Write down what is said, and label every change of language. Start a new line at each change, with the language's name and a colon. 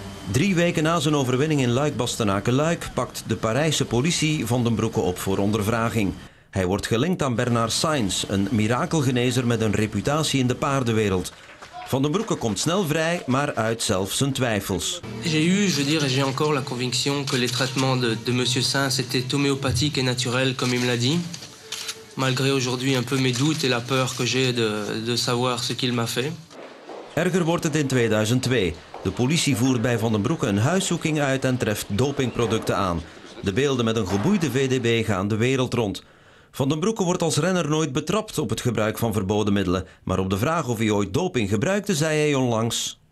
Dutch: 3 weken na zijn overwinning in Luik-Bastenaken-Luik pakt de Parijse politie Van den Broeke op voor ondervraging. Hij wordt gelinkt aan Bernard Sainz, een mirakelgenezer met een reputatie in de paardenwereld. Van den Broeke komt snel vrij, maar uit zelf zijn twijfels.
French: J'ai encore la conviction que les traitements de monsieur Sainz étaient homéopathiques et naturels comme il me l'a dit. Malgré aujourd'hui un peu mes doutes et la peur que j'ai de savoir ce qu'il m'a fait.
Dutch: Erger wordt het in 2002. De politie voert bij Van den Broeke een huiszoeking uit en treft dopingproducten aan. De beelden met een geboeide VDB gaan de wereld rond. Van den Broeke wordt als renner nooit betrapt op het gebruik van verboden middelen. Maar op de vraag of hij ooit doping gebruikte, zei hij onlangs...